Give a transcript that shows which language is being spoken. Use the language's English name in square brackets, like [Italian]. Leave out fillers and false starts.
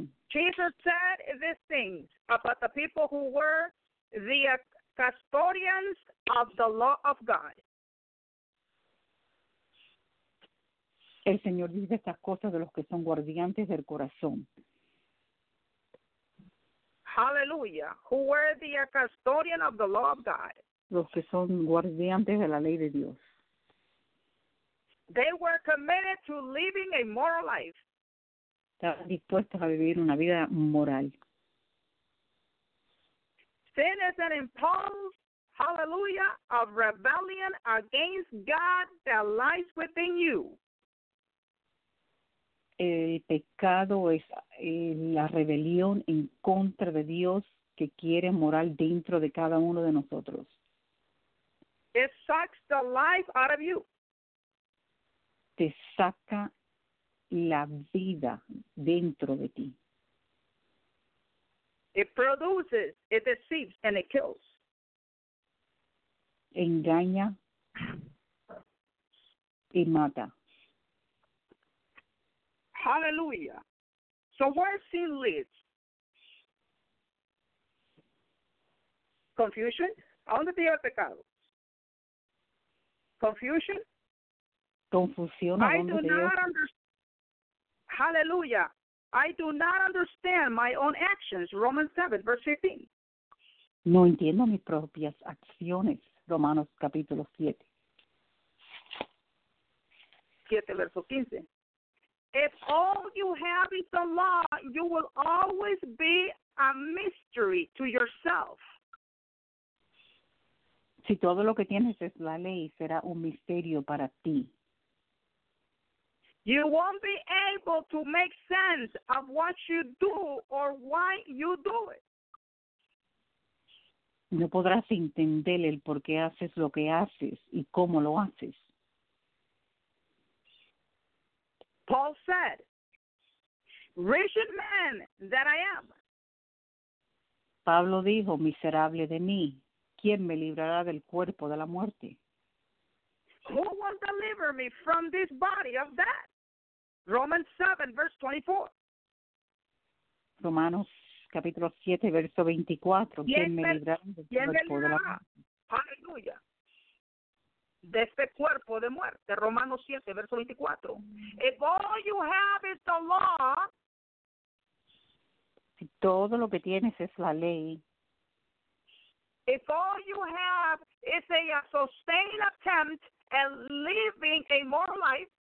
[English] Jesus said these things about the people who were the custodians of the law of God. [Spanish] El Señor dice estas cosas de los que son guardianes del corazón. [English] Hallelujah. Who were the custodian of the law of God? [Spanish] Los que son guardianes de la ley de Dios. [English] They were committed to living a moral life. [Spanish] Estaban dispuestos a vivir una vida moral. [English] Sin is an impulse. hallelujah, of rebellion against God that lies within you. [Spanish] El pecado es la rebelión en contra de Dios que quiere morar dentro de cada uno de nosotros. [English] It sucks the life out of you. [Spanish] Te saca la vida dentro de ti. [English] It produces, it deceives, and it kills. [Spanish] Engaña y mata. [English] Hallelujah. So where sin leads? Confusion. [Spanish] ¿A dónde te lleva el pecado? [English] Confusion. [Spanish] Confusión. [English] I do not understand. Hallelujah. I do not understand my own actions. Romans 7, verse 15. [Spanish] No entiendo mis propias acciones. Romanos capítulo 7. 7, verso 15. [English] If all you have is the law, you will always be a mystery to yourself. [Spanish] Si todo lo que tienes es la ley, será un misterio para ti. [English] You won't be able to make sense of what you do or why you do it. [Spanish] No podrás entender el por qué haces lo que haces y cómo lo haces. [English] Paul said, wretched man that I am. [Spanish] Pablo dijo, miserable de mí, ¿quién me librará del cuerpo de la muerte? [English] Who will deliver me from this body of death? Romans 7, verse 24. [Spanish] Romanos capítulo 7, verso 24. ¿Quién me librará del cuerpo de la muerte? Aleluya. De este cuerpo de muerte, Romanos 7, verso 24. [English] If all you have is the law, [Spanish] si todo lo que tienes es la ley, [English] if all you have is a sustained attempt at living a moral life,